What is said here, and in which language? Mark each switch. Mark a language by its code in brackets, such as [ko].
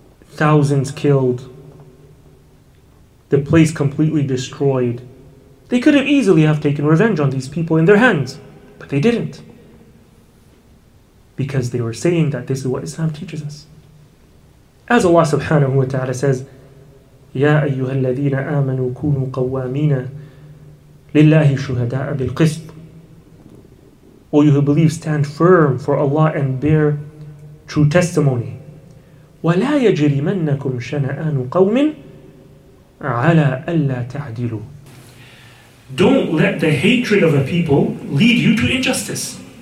[en] Thousands killed. The place completely destroyed. They could have easily have taken revenge on these people in their hands, but they didn't. Because they were saying that this is what Islam teaches us. As Allah subhanahu wa ta'ala says, [ar] يَا أَيُّهَا الَّذِينَ آمَنُوا كُونُوا قَوَّامِينَ لِلَّهِ شُهَدَاءَ بِالْقِسْطِ. [en] O you who believe, stand firm for Allah and bear true testimony. [ar] وَلَا يَجْرِمَنَّكُمْ شَنَآنُ قَوْمٍ عَلَىٰ أَلَّا تَعْدِلُوا. [en] Don't let the hatred of a people lead you to injustice.